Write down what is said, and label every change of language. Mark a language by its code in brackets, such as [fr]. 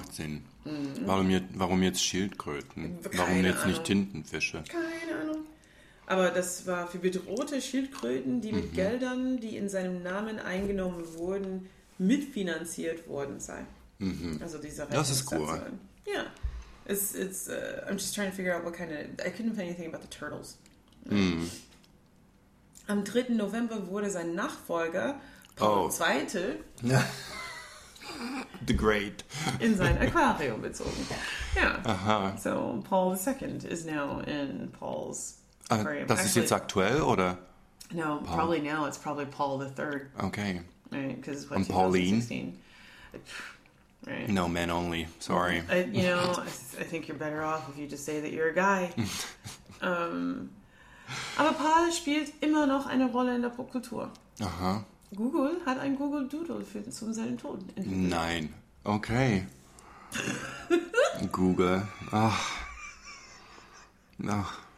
[de] Macht Sinn. Warum jetzt Schildkröten? Keine Ahnung. Nicht Tintenfische? Keine Ahnung. Aber das war für bedrohte Schildkröten, die mit Geldern, die in seinem Namen eingenommen wurden, mitfinanziert worden seien. Also diese Rettungsstation. Das ist cool. Ja. [en] It's I'm just trying to figure out what kind of... I couldn't find anything about the turtles. [de] Am 3. November wurde sein Nachfolger, Paul II, [en] the Great, [de] in sein Aquarium bezogen. Ja. Aha. [en] So, Paul II is now in Paul's aquarium. [de] Das ist jetzt aktuell, oder? [en] No, Paul. Probably now. It's probably Paul III. Okay. Right, because what, 2016? Right. No, men only. Sorry. I think you're better off if you just say that you're a guy. [de] Aber Paul spielt immer noch eine Rolle in der Popkultur. Aha. Google hat ein Google Doodle für zum seinen Tod entwickelt. Nein. Okay. Google. Ach. Ach.